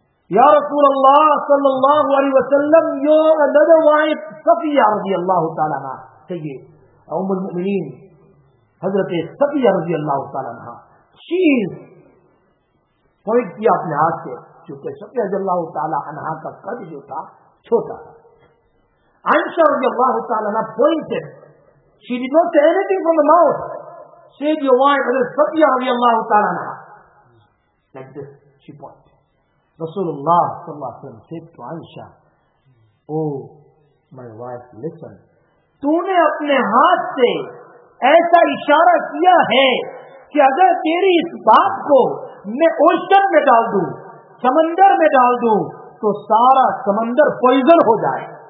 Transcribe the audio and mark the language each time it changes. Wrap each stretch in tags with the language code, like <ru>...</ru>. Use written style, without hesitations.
<ur>یا رسول اللہ صلی اللہ علیہ وسلم,</ur> <en>your another wife</en> <ur>صفیہ رضی اللہ تعالی عنہا سیدہ ام المؤمنین حضرت صفیہ رضی اللہ تعالی عنہا,</ur> <en>she is</en> <ur>پوائنٹ کیا اپنے ہاتھ سے, چونکہ صفیہ رضی اللہ تعالیٰ عنہا کا قد جو تھا چھوٹا.</ur> <en>عائشہ رضی اللہ تعالیٰ عنہا pointed, she did not say anything from the mouth, said your wife حضرت صفیہ رضی اللہ تعالیٰ عنہا, like this she pointed.</en> <ur>رسول اللہ صلی اللہ علیہ وسلم</ur> <en>said to</en> <ur>Aisha,</ur> <en>oh my wife listen,</en> <ur>تو نے اپنے ہاتھ سے ایسا اشارہ کیا ہے کہ اگر تیری اس بات کو میں اوشن میں ڈال دوں, سمندر میں ڈال دوں, تو سارا سمندر پوائزن ہو جائے.</ur>